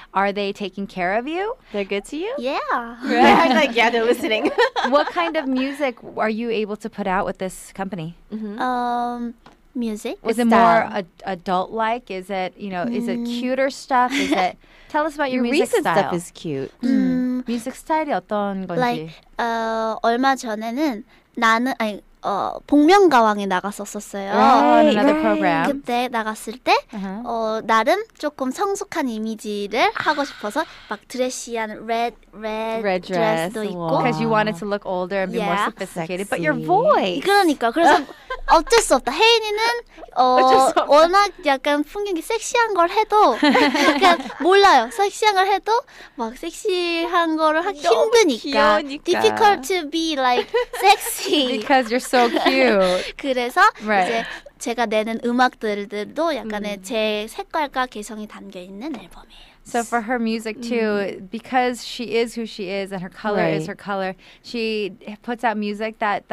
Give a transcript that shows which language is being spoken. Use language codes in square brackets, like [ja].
[en] Are they taking care of you? They're good to you? Yeah. Right? they're listening. What kind of music are you able to put out with this company? Mm-hmm. Music. Is it more adult-like? Is it, you know, is it cuter stuff? Is it? Tell us about your music style. Your recent stuff is cute. [ko] Music style이 어떤 건지. Like, 얼마 전에는 나는, 아니, 복면가왕에 나갔었어요. [en] Right. [ko] 그때 나갔을 때 uh-huh. 나름 조금 성숙한 이미지를 하고 싶어서 막 드레시한 red [en] dress도 [ko] 있고 [en] Because you wanted to look older and be more sophisticated. Sexy. But your voice! [ko] 그러니까. 그래서 어쩔 수 없다. 혜인이는 워낙 약간 풍경이 섹시한 걸 해도 그냥 몰라요. 섹시한 걸 해도 막 섹시한 걸 하기 힘드니까. [en] Difficult to be like sexy. Because you're so cute. [ko] 그래서 right. 이제 제가 내는 음악들도 약간의 제 색깔과 개성이 담겨 있는 앨범이에요. [en] So for her music too, because she is who she is and her color right. is her color, she puts out music that